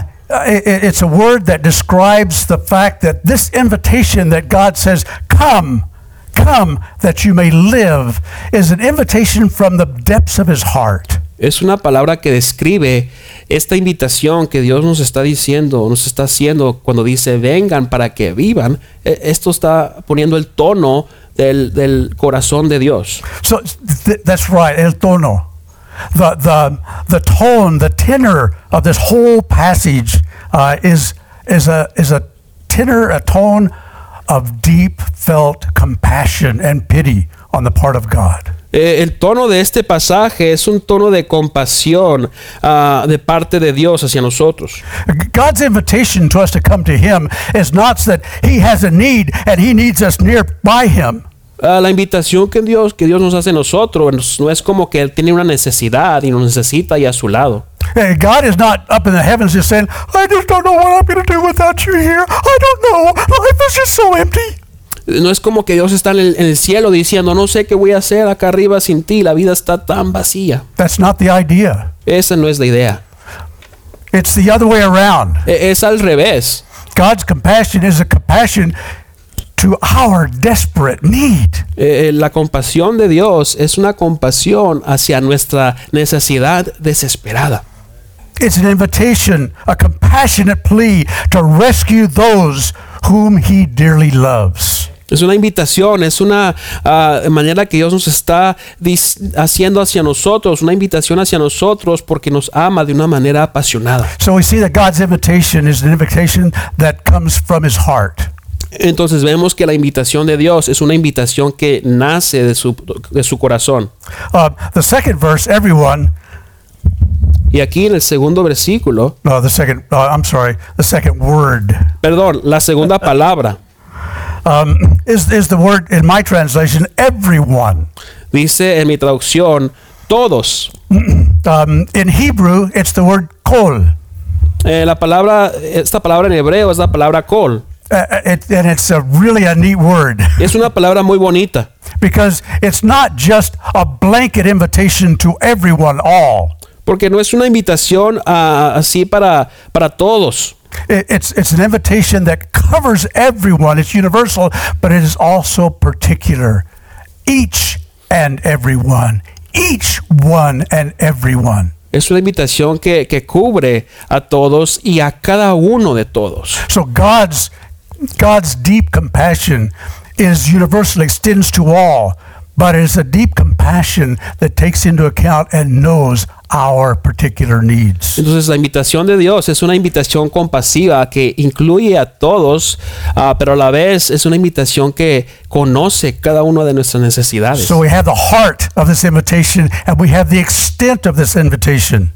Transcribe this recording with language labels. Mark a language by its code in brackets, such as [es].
[en] It's a word that describes the fact that this invitation that God says, come, come that you may live, is an invitation from the depths of his heart. [es] Es una palabra que describe esta invitación que Dios nos está diciendo, nos está haciendo cuando dice, vengan para que vivan. Esto está poniendo el tono del corazón de Dios. [en] So, that's right, [es] el tono. [en] The tone, the tenor of this whole passage is a tenor, a tone of deep felt compassion and pity on the part of God. [es] El tono de este pasaje es un tono de compasión de parte de Dios hacia nosotros. [en] God's invitation to us to come to him is not that he has a need and he needs us near by him. [es] La invitación que Dios nos hace a nosotros no es como que él tiene una necesidad y nos necesita y a su lado. [en] Hey, God is not up in the heavens just saying, I just don't know what I'm going to do without you here. I don't know. Life is just so empty. [es] No es como que Dios está en el cielo diciendo, no sé qué voy a hacer acá arriba sin ti. La vida está tan vacía. [en] That's not the idea. [es] Esa no es la idea. [en] It's the other way around. [es] Es al revés. [en] God's compassion is a compassion to our desperate need. [es] La compasión de Dios es una compasión hacia nuestra necesidad desesperada. [en] It's an invitation, a compassionate plea to rescue those whom he dearly loves. [es] Es una invitación, es una manera que Dios nos está haciendo hacia nosotros, una invitación hacia nosotros porque nos ama de una manera apasionada. [en] So we see that God's invitation is an invitation that comes from his heart. [es] Entonces vemos que la invitación de Dios es una invitación que nace de su corazón. [en] The second verse, everyone. [es] Y aquí en el segundo versículo. [en] No, the second. I'm sorry. The second word. [es] Perdón, la segunda palabra. [en] Is the word in my translation everyone? [es] Dice en mi traducción todos. [en] In Hebrew, it's the word kol. [es] Esta palabra en hebreo es la palabra kol. [en] And it's a really a neat word. [es] Es una palabra muy bonita. [en] Because it's not just a blanket invitation to everyone all. [es] Porque no es una invitación así para todos. [en] It's an invitation that covers everyone. It's universal, but it is also particular. Each and everyone. Each one and everyone. [es] Es una invitación que cubre a todos y a cada uno de todos. [en] So God's deep compassion is universal, extends to all, but it is a deep compassion that takes into account and knows our particular needs. [es] Entonces la invitación de Dios es una invitación compasiva que incluye a todos, pero a la vez es una invitación que conoce cada una de nuestras necesidades. [en] So we have the heart of this invitation and we have the extent of this invitation.